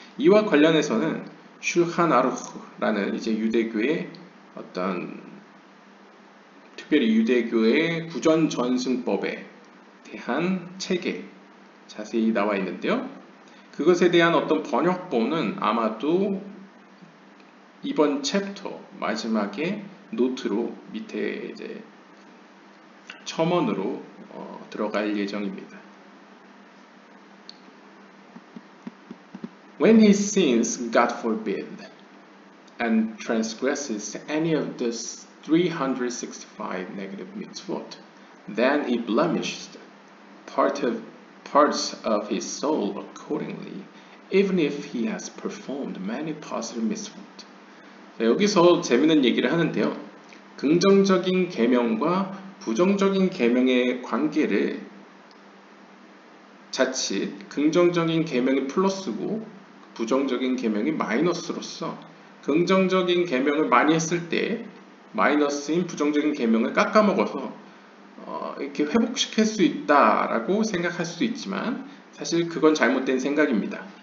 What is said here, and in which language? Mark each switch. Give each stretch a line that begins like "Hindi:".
Korean: 이와 관련해서는 슐칸 아루흐라는 이제 유대교의 어떤 특별히 유대교의 구전 전승법에 대한 책에 자세히 나와 있는데요. 그것에 대한 어떤 번역본은 아마도 이번 챕터 마지막에 노트로 밑에 이제 첨언으로 들어갈 예정입니다.
English: When he sins, God forbid, and transgresses any of the 365 negative mitzvot, then he blemishes parts of his soul accordingly, even if he has performed many positive mitzvot.
Korean: 자, 여기서 재미있는 얘기를 하는데요. 긍정적인 계명과 부정적인 계명의 관계를 자칫 긍정적인 계명이 플러스고 부정적인 계명이 마이너스로서 긍정적인 계명을 많이 했을 때 마이너스인 부정적인 계명을 깎아먹어서 이렇게 회복시킬 수 있다라고 생각할 수도 있지만 사실 그건 잘못된 생각입니다.